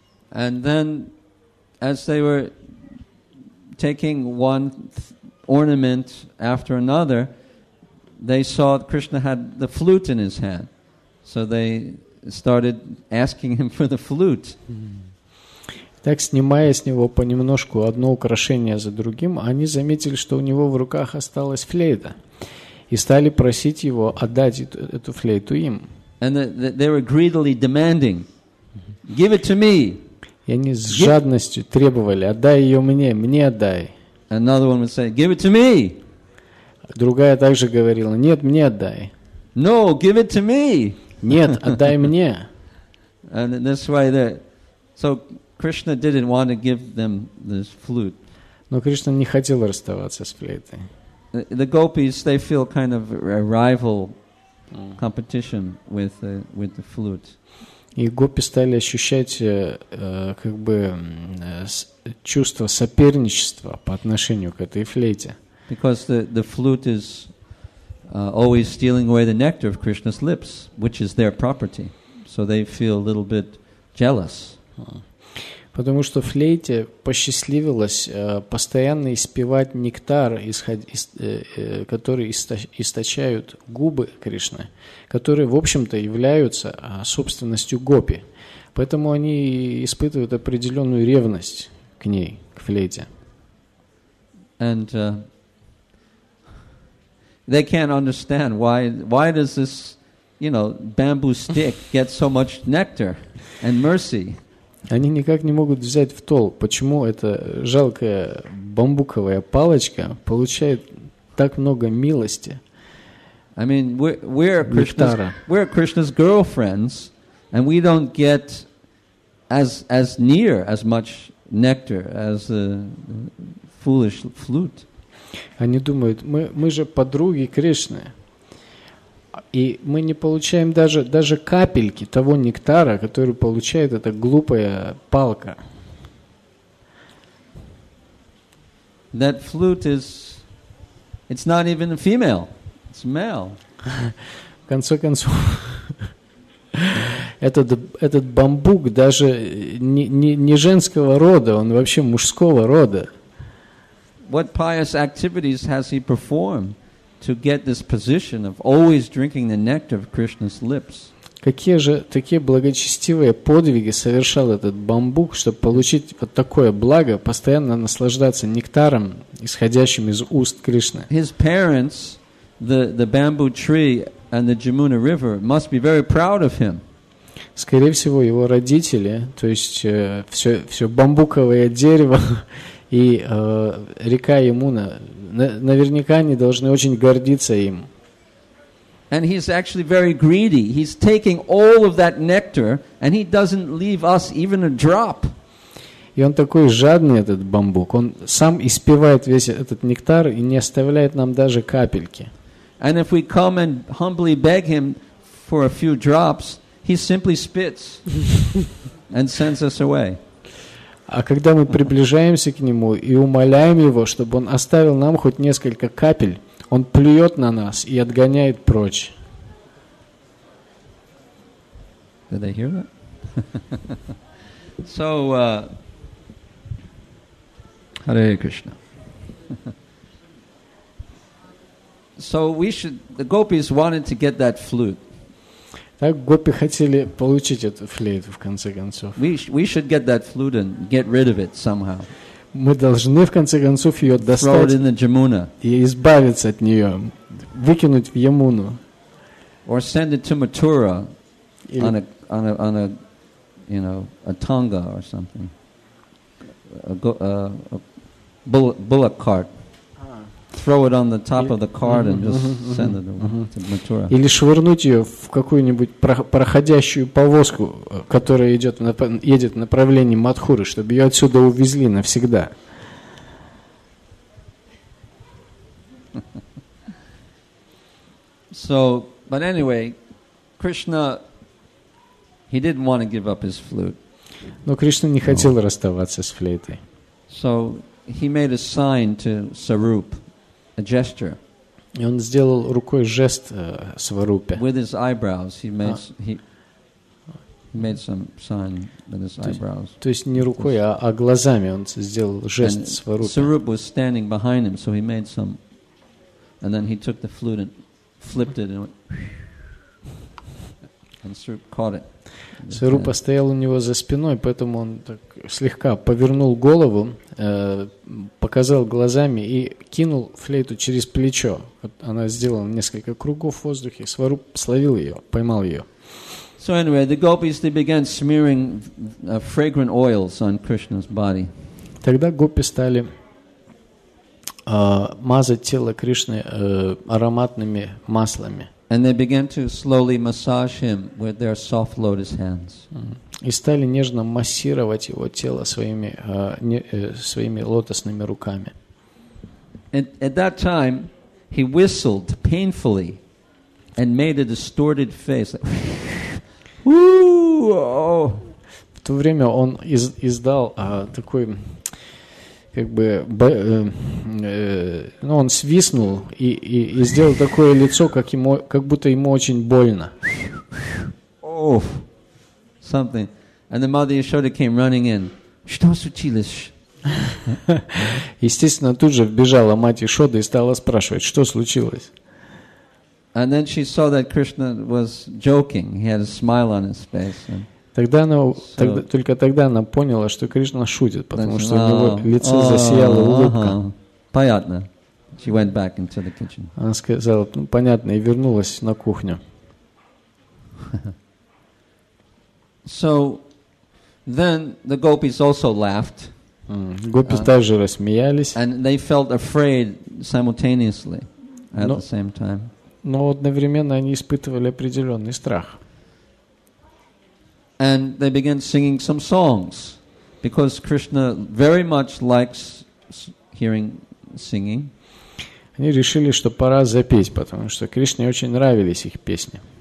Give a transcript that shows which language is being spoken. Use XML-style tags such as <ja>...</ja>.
<en>And then as they were taking one ornament after another, they saw Krishna had the flute in his hand. So they started asking him for the flute.</en> <ru>Так, снимая с него понемножку одно украшение за другим, они заметили, что у него в руках осталась флейта, и стали просить его отдать эту флейту им.</ru> <en>And they were greedily demanding, give it to me.</en> <ru>И они с жадностью требовали, отдай ее мне, мне отдай.</ru> <en>Another one would say, give it to me.</en> <ru>Другая также говорила, нет, мне отдай.</ru> <en>No, give it to me.</en> <ru>Нет, отдай мне.</ru> <en>And that's why so Krishna didn't want to give them this flute.</en> <ru>Но Кришна не хотел расставаться с флейтой.</ru> <en>The gopis, they feel kind of a rival competition with the flute.</en> <ru>И гопи стали ощущать как бы чувство соперничества по отношению к этой флейте.</ru> <en>Because the flute is always stealing away the nectar of Krishna's lips, which is their property. So they feel a little bit jealous.</en> <ru>Потому что флейте посчастливилось постоянно испевать нектар, который источают губы Кришны, которые, в общем-то, являются собственностью гопи. Поэтому они испытывают определенную ревность к ней, к флейте.</ru> <en>And they can't understand why does this, you know, bamboo stick get so much nectar and mercy?</en> <ru>Они никак не могут взять в толк, почему эта жалкая бамбуковая палочка получает так много милости.</ru> <en>I mean, we're Krishna's girlfriends, and we don't get as near as much nectar as the foolish flute.</en> <ru>Они думают, мы же подруги Кришны. И мы не получаем даже капельки того нектара, который получает эта глупая палка.</ru> <en>That flute is, it's not even a female, it's male.</en> <ru>В конце концов, этот бамбук даже не женского рода, он вообще мужского рода.</ru> <en>What pious activities has he performed to get this position of always drinking the nectar of Krishna's lips?</en> <ru>Какие же такие благочестивые подвиги совершал этот бамбук, чтобы получить вот такое благо, постоянно наслаждаться нектаром, исходящим из уст Кришны?</ru> <en>His parents the bamboo tree and the Jamuna River must be very proud of him.</en> <ru>Скорее всего, его родители, то есть все бамбуковое дерево и река Ямуна, наверняка они должны очень гордиться им.</ru> <en>And he's actually very greedy. He's taking all of that nectar, and he doesn't leave us even a drop.</en> <ru>И он такой жадный, этот бамбук. Он сам испевает весь этот нектар и не оставляет нам даже капельки.</ru> <en>And if we come and humbly beg him for a few drops, he simply spits and sends us away.</en> <ru>А когда мы приближаемся к нему и умоляем его, чтобы он оставил нам хоть несколько капель, он плюет на нас и отгоняет прочь.</ru> <en>Did they hear that? So, Hare Krishna. So we should. The gopis wanted to get that flute.</en> <ru>Так гопи хотели получить эту флейту в конце концов.</ru> <en>We should get that flute and get rid of it somehow.</en> <ru>Мы должны в конце концов ее достать и избавиться от нее, выкинуть в Ямуну.</ru> <en>Or send it to Mathura on a you know, a tanga or something. A bullock cart. Throw it on the top of the cart and just send it to Mathura.</en> <ru>Или швырнуть ее в какую-нибудь проходящую повозку, которая едет в направлении Матхуры, чтобы ее отсюда увезли навсегда.</ru> <en>So, but anyway, Krishna, he didn't want to give up his flute.</en> <ru>Но Кришна не хотел расставаться с флейтой.</ru> <en>So he made a sign to Sarup. A gesture.</en> <ru>И он сделал рукой жест Сварупе.</ru> <en>With his eyebrows, he made some sign with his eyebrows.</en> <ru>То есть не рукой, а глазами он сделал жест Сварупе.</ru> <en>Sarup was standing behind him, so he made some, and then he took the flute and flipped it, and went, and Sarup caught it.</en> <ru>Сарупа стоял у него за спиной, поэтому он так слегка повернул голову, показал глазами и кинул флейту через плечо. Вот она сделала несколько кругов в воздухе, Сваруп словил ее, поймал ее.</ru> <en>So anyway, the gopis, they began smearing fragrant oils on Krishna's body.</en> <ru>Тогда гопи стали мазать тело Кришны ароматными маслами.</ru> <en>And they began to slowly massage him with their soft lotus hands.</en> <ru>И стали нежно массировать его тело своими лотосными руками.</ru> <en>At that time, he whistled painfully and made a distorted face.</en> <ru>В то время он издал такой, как бы, ну, он свистнул и сделал такое лицо, как будто ему очень больно.</ru> <en>Oh, something. And the mother Yashoda came running in.</en> <ru>Что случилось? Естественно, тут же вбежала мать Ишода и стала спрашивать, что случилось.</ru> <en>And then she saw that Krishna was joking. He had a smile on his face. And...</en> <ru>Тогда она, только тогда она поняла, что Кришна шутит, потому что у него лицо засияло улыбкой. Понятно.</ru> <en>She went back into the kitchen.</en> <ru>Она сказала, ну понятно, и вернулась на кухню.</ru> <en>So, then the gopis also laughed.</en> <ru>Гопи также рассмеялись.</ru> <en>And they felt afraid simultaneously at the same time.</en> <ru>Но одновременно они испытывали определенный страх.</ru> <en>And they began singing some songs, because Krishna very much likes hearing singing.</en> <ru>Они решили, что пора запеть, потому что Кришне очень нравились их песни.</ru>